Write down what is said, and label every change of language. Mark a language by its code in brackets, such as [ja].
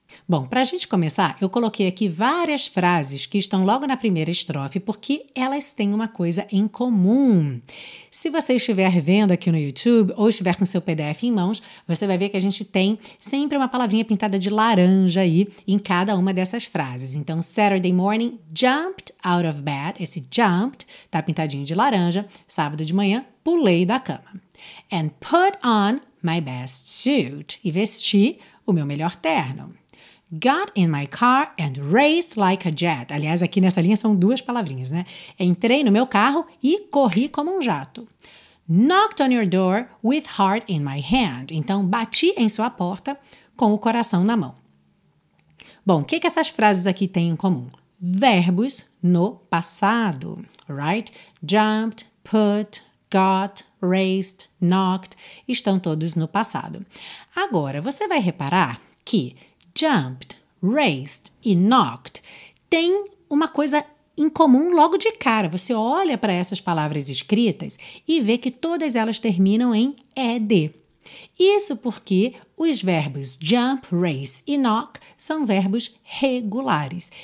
[pt] Bom, para a gente começar, eu coloquei aqui várias frases que estão logo na primeira estrofe porque elas têm uma coisa em comum. Se você estiver vendo aqui no YouTube ou estiver com seu PDF em mãos, você vai ver que a gente tem sempre uma palavrinha pintada de laranja aí em cada uma dessas frases. [en] Então, Saturday morning, jumped out of bed. [pt] Esse jumped tá pintadinho de laranja. Sábado de manhã, pulei da cama. [en] And put on my best suit. [pt] E vesti o meu melhor terno. [en] Got in my car and raced like a jet. [pt] Aliás, aqui nessa linha são duas palavrinhas, né? Entrei no meu carro e corri como um jato. [en] Knocked on your door with heart in my hand. [pt] Então, bati em sua porta com o coração na mão. Bom, o que, que essas frases aqui têm em comum? Verbos no passado, right? [en] Jumped, put, got, raced, knocked. [pt] Estão todos no passado. Agora, você vai reparar que jumped, raced e knocked tem uma coisa em comum logo de cara. Você olha para essas palavras escritas e vê que todas elas terminam em ed. Isso porque os verbos jump, race e knock são verbos regulares.